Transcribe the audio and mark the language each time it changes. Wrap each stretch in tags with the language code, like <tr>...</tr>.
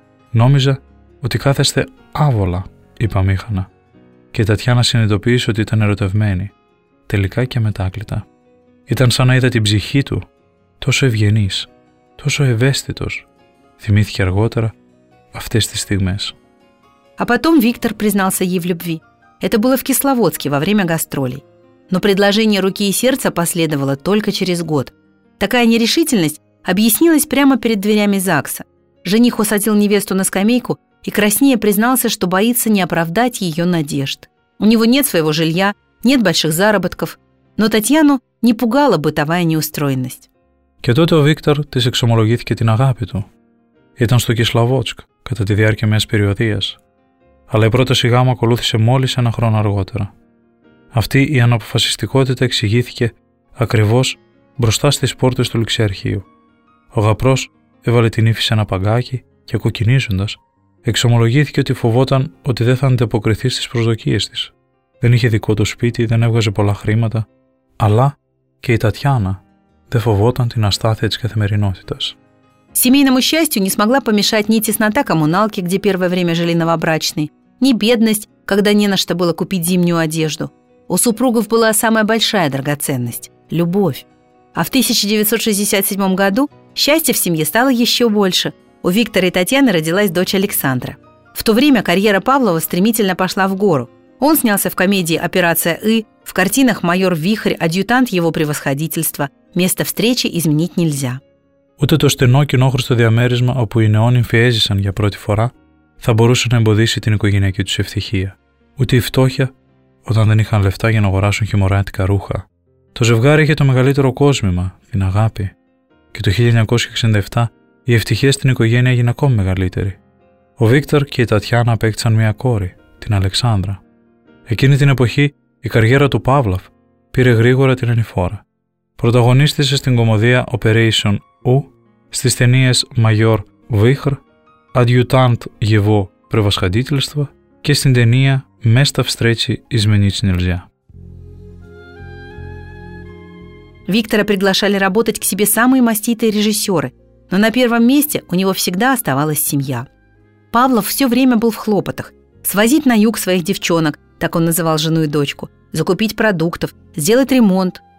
<el>«Νόμιζα ότι κάθεστε άβολα», είπα μήχανα και η Τατιάνα συνειδητοποίησε ότι ήταν ερωτευμένη, τελικά και αμετάκλητα. Ήταν σαν να είδα την ψυχή του, τόσο ευγενής, τόσο ευαίσθητος, θυμήθηκε αργότερα αυτές τις στιγμές.</el> <ru>А потом Виктор признался ей в любви. Это было в Кисловодске во время гастролей. Но предложение руки и сердца последовало только через год. Такая нерешительность объяснилась прямо перед дверями ЗАГСа. Жених усадил невесту на скамейку и краснея признался, что боится не оправдать ее надежд. У него нет своего жилья, нет больших заработков, но Татьяну не пугала бытовая неустроенность.</ru> <el>Και τότε ο Βίκτορ της εξομολογήθηκε την αγάπη του. Ήταν στο Κισλαβότσκ κατά τη διάρκεια μιας περιοδίας. Αλλά η πρόταση γάμου ακολούθησε μόλις ένα χρόνο αργότερα. Αυτή η αναποφασιστικότητα εξηγήθηκε ακριβώς μπροστά στις πόρτες του ληξιαρχείου. Ο γαπρός έβαλε την ύφη σε ένα παγκάκι και κοκκινίζοντας, εξομολογήθηκε ότι φοβόταν ότι δεν θα ανταποκριθεί στις προσδοκίες της. Δεν είχε δικό του σπίτι, δεν έβγαζε πολλά χρήματα, αλλά και η Τατιάνα δεν φοβόταν την αστάθεια της καθημερινότητας.</el> <ru>Семейному счастью не смогла помешать ни теснота коммуналки, где первое время жили новобрачные, ни бедность, когда не на что было купить зимнюю одежду. У супругов была самая большая драгоценность – любовь. А в 1967 году счастья в семье стало еще больше. У Виктора и Татьяны родилась дочь Александра. В то время карьера Павлова стремительно пошла в гору. Он снялся в комедии «Операция И», в картинах «Майор Вихрь», «Адъютант его превосходительства», «Место встречи изменить нельзя».</ru> <el>Ούτε το στενό κοινόχρηστο διαμέρισμα όπου οι νεόνυμφοι έζησαν για πρώτη φορά θα μπορούσε να εμποδίσει την οικογενειακή τους ευτυχία. Ούτε η φτώχεια όταν δεν είχαν λεφτά για να αγοράσουν χειμωνιάτικα ρούχα. Το ζευγάρι είχε το μεγαλύτερο κόσμημα, την αγάπη. Και το 1967 η ευτυχία στην οικογένεια έγινε ακόμη μεγαλύτερη. Ο Βίκτορ και η Τατιάνα απέκτησαν μια κόρη, την Αλεξάνδρα. Εκείνη την εποχή η καριέρα του Παύλαφ πήρε γρήγορα την ανηφόρα. Πρωταγωνίστησε στην κωμωδία Operation Ου, στις ταινίες «Μαγιόρ Βίχρ», «Αντιουτάντ Γεβό Πρεβασχαντήτλιστο» και στην ταινία «Μέστα</el> <ru>Встречи изменить нельзя». Виктора приглашали работать к себе самые маститые режиссеры, но на первом месте у него всегда оставалась семья. Павлов все время был в хлопотах. Свозить на юг своих девчонок, так он называл жену и дочку, закупить продуктов, сделать ремонт.</ru>